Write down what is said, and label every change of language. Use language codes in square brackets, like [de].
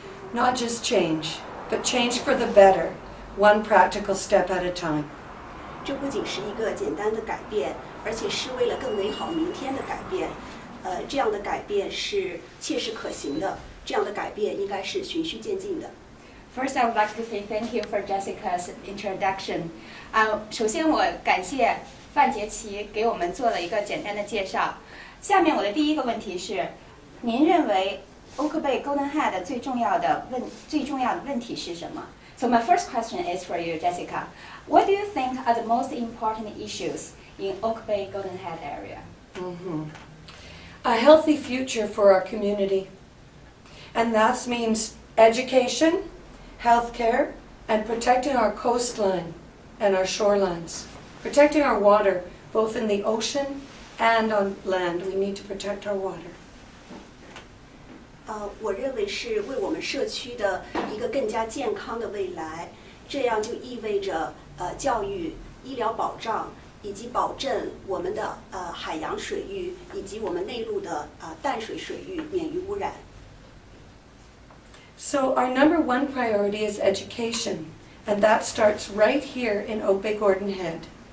[en] Not just change, but change for the better, one practical step at a time. [zh] 这不仅是一个简单的改变，而且是为了更美好明天的改变。这样的改变是切实可行的，这样的改变应该是循序渐进的。 [en] First, I would like to say thank you for Jessica's introduction. [zh] 首先我感谢范杰奇给我们做了一个简单的介绍。下面我的第一个问题是，您认为欧克贝 Golden Head 最重要的问题是什么？ [en] So my first question is for you, Jessica. What do you think are the most important issues in Oak Bay Golden Head area? A healthy future for our community. And that means education, healthcare, and protecting our coastline and our shorelines. Protecting our water, both in the ocean and on land. We need to protect our water. [zh] 我认为是为我们社区的一个更加健康的未来，这样就意味着教育、医疗保障以及保证我们的海洋水域以及我们内陆的淡水水域免于污染。 [en] So our number one priority is education, and that starts right here in Oak Bay Golden Head.